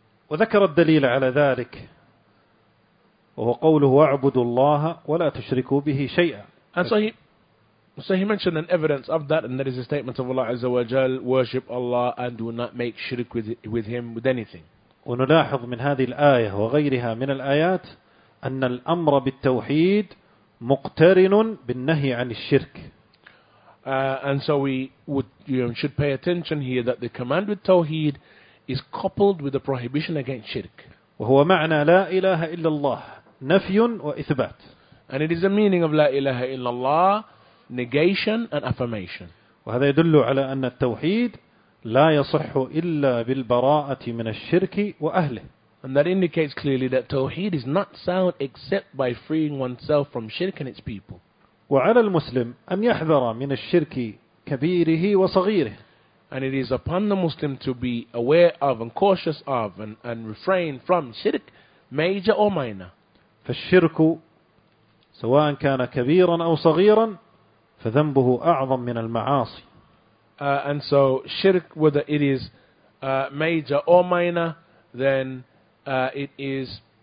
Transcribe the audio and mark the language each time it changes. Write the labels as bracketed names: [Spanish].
[Arabic] وذكر الدليل على ذلك وهو قوله اعبدوا الله ولا تشركوا به شيئا. [English] And so he mentioned an evidence of that, and that is the statement of Allah Azza wa Jal, worship Allah and do not make shirk with him with anything. [Arabic] ونلاحظ من هذه الآية وغيرها من الآيات أن الأمر بالتوحيد مقترن بالنهي عن الشرك. [English] And so we would, you know, should pay attention here that the command with tawheed is coupled with the prohibition against shirk. [Arabic] وهو معنى لا إله إلا الله نفي وإثبات. [English] And it is the meaning of [Arabic] لا إله إلا الله, [English] negation and affirmation. [Arabic] وهذا يدل على أن التوحيد لا يصح إلا بالبراءة من الشرك وأهله. [English] And that indicates clearly that tawheed is not sound except by freeing oneself from shirk and its people. [Arabic] وعلى المسلم أن يحذر من الشرك كبيره وصغيره. [English] And it is upon the Muslim to be aware of and cautious of and refrain from shirk, major or minor. [Arabic] فالشرك سواء كان كبيرا أو صغيرا فذنبه أعظم من المعاصي. [English] And so shirk, whether it is major or minor, then it is